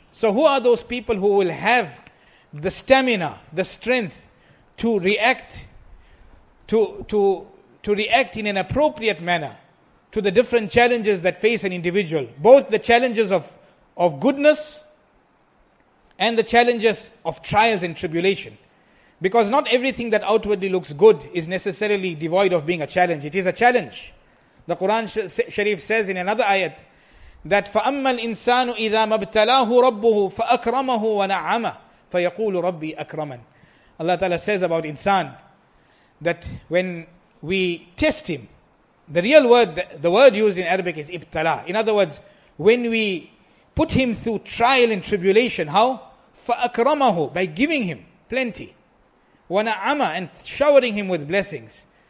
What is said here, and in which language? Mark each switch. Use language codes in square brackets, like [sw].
[en] So who are those people who will have the stamina, the strength to react, to react in an appropriate manner to the different challenges that face an individual, both the challenges of goodness and the challenges of trials and tribulation. Because not everything that outwardly looks good is necessarily devoid of being a challenge. It is a challenge. The Quran Sharif says in another ayat that [ar] فَأَمَّا الْإِنسَانُ إِذَا مَبْتَلَاهُ رَبُّهُ فَأَكْرَمَهُ وَنَعَمَ فَيَقُولُ رَبِّي أَكْرَمًا. [en] Allah Ta'ala says about insan that when we test him, the real word, the word used in Arabic is ibtala. In other words, when we put him through trial and tribulation, how? فَأَكْرَمَهُ, by giving him plenty. وَنَعَمَ, and showering him with blessings.